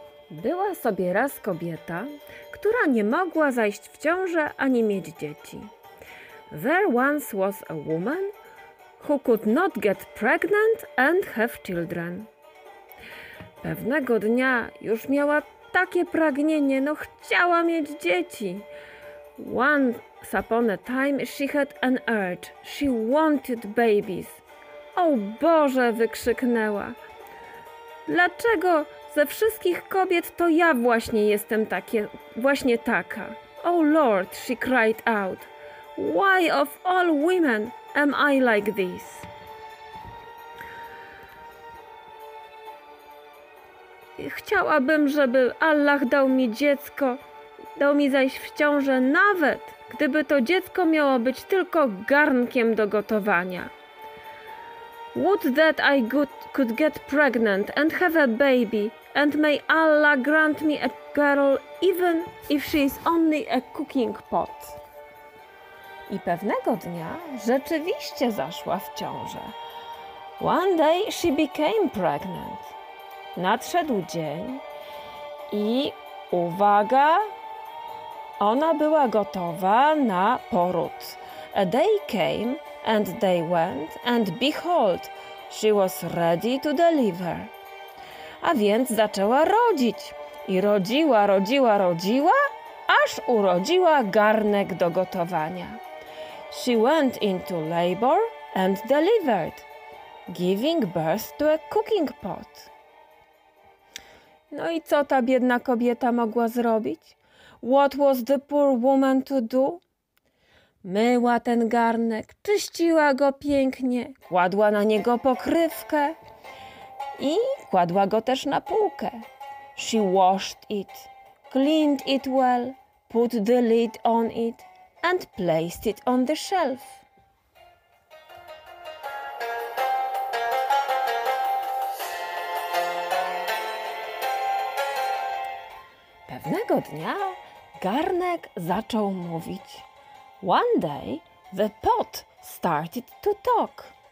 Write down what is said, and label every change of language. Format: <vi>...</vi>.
<pl>Była sobie raz kobieta, która nie mogła zajść w ciążę ani mieć dzieci.</pl> <en>There once was a woman who could not get pregnant and have children.</en> <pl>Pewnego dnia już miała takie pragnienie, no chciała mieć dzieci.</pl> <en>Once upon a time she had an urge. She wanted babies.</en> <pl>O Boże, wykrzyknęła. Dlaczego ze wszystkich kobiet to ja właśnie jestem taka?</pl> <en>O Lord, she cried out. Why of all women am I like this?</en> <pl>Chciałabym, żeby Allah dał mi dziecko, dał mi zajść w ciążę, nawet gdyby to dziecko miało być tylko garnkiem do gotowania.</pl> <en>Would that I could get pregnant and have a baby, and may Allah grant me a girl, even if she is only a cooking pot.</en> <pl>I pewnego dnia rzeczywiście zaszła w ciążę.</pl> <en>One day she became pregnant.</en> <pl>Nadszedł dzień i uwaga, ona była gotowa na poród.</pl> <en>A day came and they went and behold, she was ready to deliver.</en> <pl>A więc zaczęła rodzić i rodziła, rodziła, rodziła, aż urodziła garnek do gotowania.</pl> <en>She went into labor and delivered, giving birth to a cooking pot.</en> <pl>No i co ta biedna kobieta mogła zrobić?</pl> <en>What was the poor woman to do?</en> <pl>Myła ten garnek, czyściła go pięknie, kładła na niego pokrywkę i kładła go też na półkę.</pl> <en>She washed it, cleaned it well, put the lid on it and placed it on the shelf.</en> <pl>Pewnego dnia garnek zaczął mówić.</pl> <en>One day the pot started to talk.</en>